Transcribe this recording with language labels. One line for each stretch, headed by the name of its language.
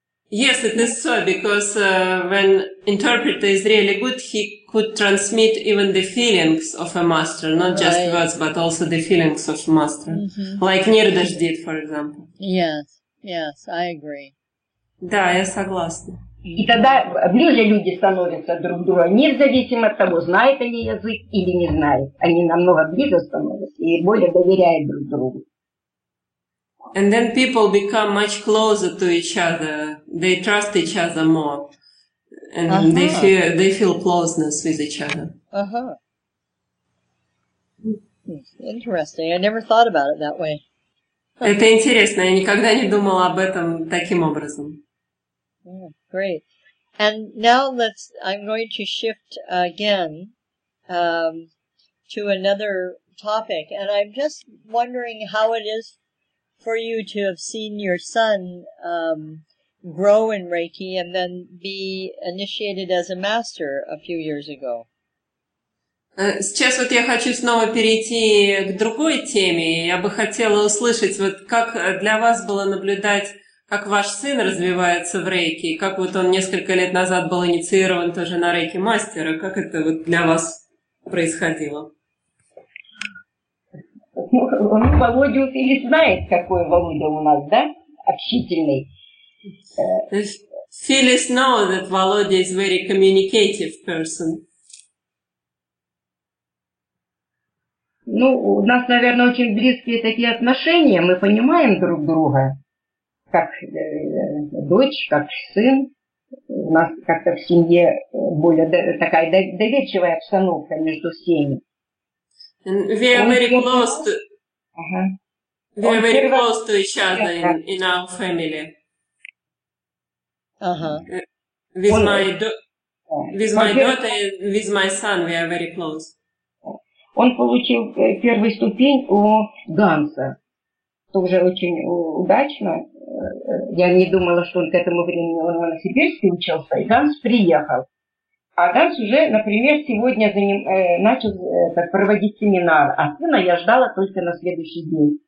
English: Yes, it is so, because when interpreter is really good, he could transmit even the feelings of a master, not just words, but also the feelings of a master, like Nirdash did, for example. Yes, yes, I agree.
Russian: Да, я согласна. И тогда ближе люди становятся друг к другу, независимо от того, знают они язык или не знают. Они намного ближе становятся и более доверяют друг другу.
English: And then people become much closer to each other. They trust each other more. And they feel closeness with each other. Uh-huh. Interesting. I never thought about it that way.
Russian: Это интересно. Я никогда не думала об этом таким образом.
English: Great. And now I'm going to shift again to another topic. And I'm just wondering how it is for you to have seen your son grow in Reiki and then be initiated as a master a few years ago.
Russian: Сейчас вот я хочу снова перейти к другой теме. Я бы хотела услышать, вот как для вас было наблюдать, как ваш сын развивается в Рейки, как вот он несколько лет назад был инициирован тоже на Рейки мастера, как это вот для вас происходило? Ну, Володя или знает, какой Володя у нас, да? Общительный.
English: Phyllis knows that Володя is a very communicative person.
Russian: Ну, у нас, наверное, очень близкие такие отношения. Мы понимаем друг друга, как дочь, как сын. У нас как-то в семье более такая доверчивая обстановка между всеми.
English: We are very close to each other in our family. Uh-huh. With my daughter and with my son, we are very close.
Russian: Он получил первую ступень у Ганса. Тоже очень удачно. Я не думала, что он к этому времени в Новосибирске учился, и Ганс приехал. А Ганс уже, например, сегодня начал проводить семинар, а сына я ждала только на следующий день.